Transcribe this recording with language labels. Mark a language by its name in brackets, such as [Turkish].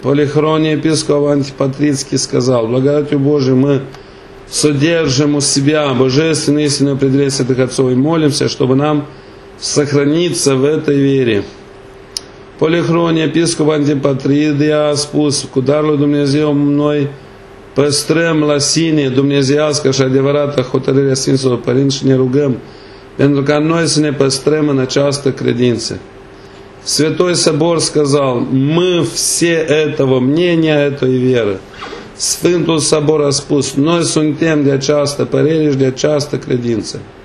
[Russian] Polichronie, episcop antipatrițchii, сказал, благодатью Божией мы содержим у себя божественное истинное определение святых отцов и молимся, чтобы нам сохраниться в этой вере. [Romanian] Polichronie, episcop antipatrițchii, a spus, cu darul Dumnezeu noi păstrăm la sine dumnezeiască și adevărată hotărârea Sfinților Părinți și ne rugăm pentru ca noi să ne păstrăm în această credință. [Russian] Святой Собор сказал, мы все этого мнения, этой веры. [Romanian] Сфинтул Собор a spus, noi suntem de această părere și de această credință.